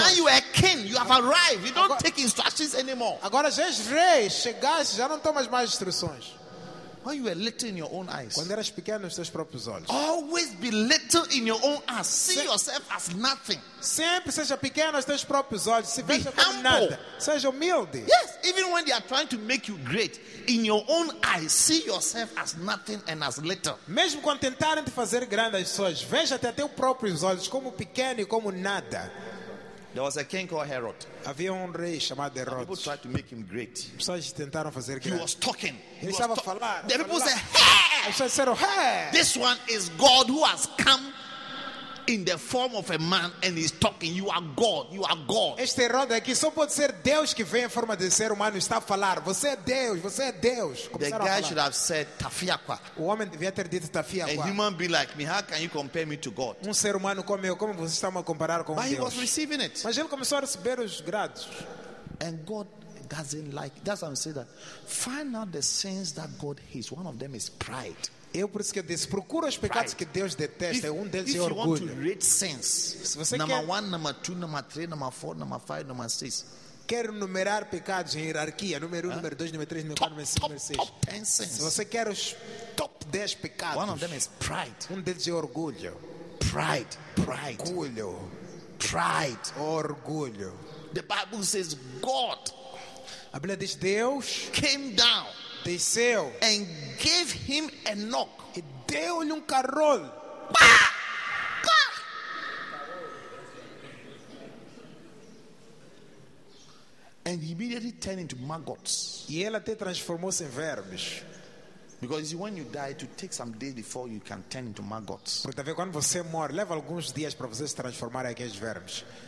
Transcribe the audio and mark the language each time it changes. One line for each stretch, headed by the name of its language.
English: Now you are king, you have arrived, you don't take instructions anymore.
Portuguese: Agora já és rei, chegaste, já não tomas mais instruções.
English: When you were little in your own eyes,
Portuguese: quando eras pequeno nos teus próprios olhos,
English: always be little in your own eyes, see yourself as nothing.
Portuguese: Sempre seja pequeno nos teus próprios olhos, se
English: be
Portuguese: veja
English: humble.
Portuguese: Como nada. Seja humilde.
English: Yes, even when they are trying to make you great, in your own eyes, see yourself as nothing and as little.
Portuguese: Mesmo quando tentarem te fazer grande as pessoas, veja até teus próprios olhos como pequeno e como nada.
English: There was a king called Herod.
Portuguese: Havia rei chamado Herod.
English: People tried to make him great.
Portuguese: Pessoas tentaram fazer grande.
English: He was talking.
Portuguese: Ele estava a falar.
English: The people said, hey! This one is God who has come in the form of a man and he's talking. You are God. You are God.
Portuguese: Este roda aqui só pode ser Deus que vem em forma de ser humano e está a falar. Você é Deus. Você é Deus.
English: The guy should have said Tafiaqua.
Portuguese: O homem devia ter dito Tafiaqua. A human being like me, how can you compare me to God? Um ser humano como eu, como você está a comparar com
English: But
Portuguese: Deus?
English: But he was receiving it.
Portuguese: Mas ele começou a receber os grados.
English: And God doesn't like. That's why I'm saying that. Find out the sins that God hates. One of them is pride.
Portuguese: Eu por isso que eu disse, procura os pecados que Deus detesta, um deles é orgulho.
English: If you want to rate sins, number one, number two, number three, number four, number five, number six.
Portuguese: Quer numerar pecados em hierarquia, número um, número dois, número três, número quatro, número cinco, número seis.
English: Top ten sins.
Portuguese: Se você quer os top 10 pecados,
English: one of them is pride.
Portuguese: Um deles é orgulho.
English: Pride, pride.
Portuguese: Orgulho.
English: Pride,
Portuguese: orgulho.
English: The Bible says God.
Portuguese: A Bíblia diz Deus
English: came down.
Portuguese: Desceu.
English: And gave him a knock.
Portuguese: E deu-lhe um carol.
English: And he immediately turned into maggots.
Portuguese: E ele até transformou-se em vermes.
English: Because when you die, it will take some days before you can turn into maggots.
Portuguese: Porque quando você morre, leva alguns dias para você se transformar em aqueles vermes.